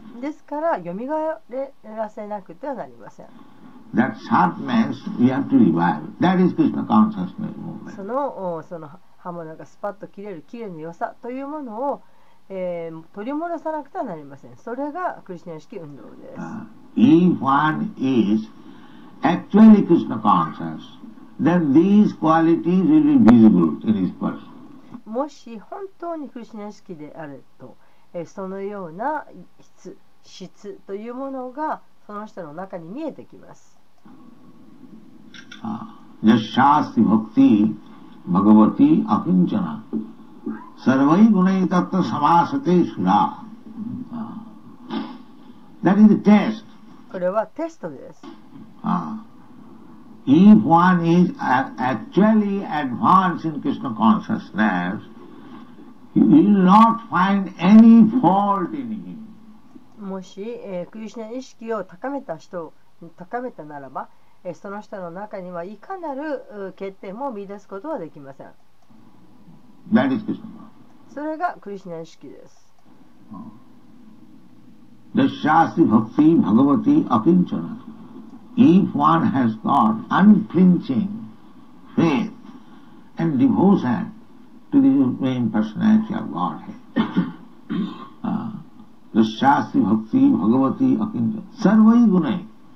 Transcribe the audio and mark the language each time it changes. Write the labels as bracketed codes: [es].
[ja] ですから蘇らせなくてはなりません。 [en] That sharpness we have to revive. That is Krishna consciousness movement. [ja] その刃物がスパッと切れる綺麗な良さというものを、取り戻さなくてはなりません。それがクリシュナ意識運動です。 [en] If one is actually Krishna conscious, then these qualities will be visible in his person. [ja] もし本当にクリシュナ意識であると、そのような質というものがその人の中に見えてきます。 [sa] Jashasti bhakti bhagavati akinchana sarvai gunai tatta samasate sura. [en] That is the test. [ja] これはテストです。 [en] If one is actually advanced in Krishna consciousness, you will not find any fault in him. [ja] もし、クリシュナ意識を高めた人高めたならば、その人の中にはいかなる欠点も見出すことはできません。 [en] That is Krishna. [ja] それがクリシュナ意識です。 [sa] Dashyasi bhakti bhagavati akinchana. [en] If one has got unflinching faith and devotion to the main personality of Godhead, [sa] Dashyasi bhakti bhagavati akinchana sarvai gunai.